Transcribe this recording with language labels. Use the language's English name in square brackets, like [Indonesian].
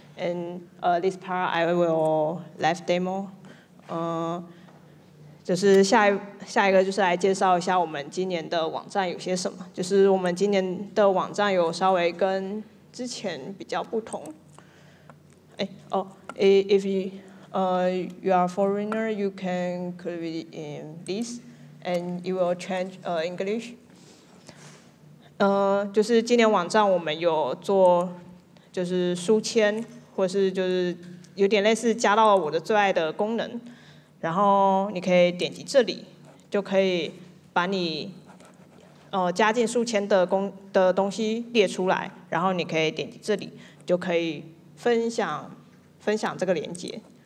[English] And this part I will live demo. [Chinese] 就是下一个就是来介绍一下我们今年的网站有些什么。就是我们今年的网站有稍微跟之前比较不同。 [English] If you are foreigner, you can click in this, and you will change English. [Chinese] 就是今年网站我们有做就是书签。或是就是有点类似加到我的最爱的功能，然后你可以点击这里，就可以把你加进书签的东西列出来，然后你可以点击这里，就可以分享这个连接。